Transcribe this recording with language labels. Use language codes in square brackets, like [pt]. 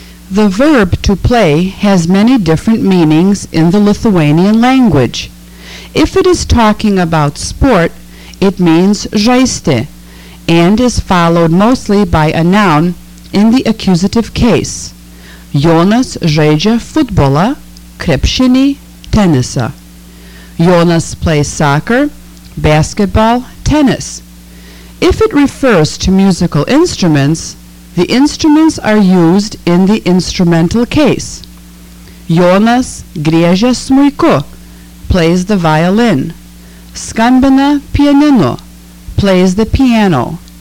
[en] The verb to play has many different meanings in the Lithuanian language. If it is talking about sport, it means žaisti, and is followed mostly by a noun in the accusative case. [lt] Jonas žaidžia futbolą, krepšinį, tenisą. [en] Jonas plays soccer, basketball, tennis. If it refers to musical instruments, the instruments are used in the instrumental case. [lt] Jonas griežia smuiku, [en] plays the violin. [lt] Skambina pianinu, [en] plays the piano.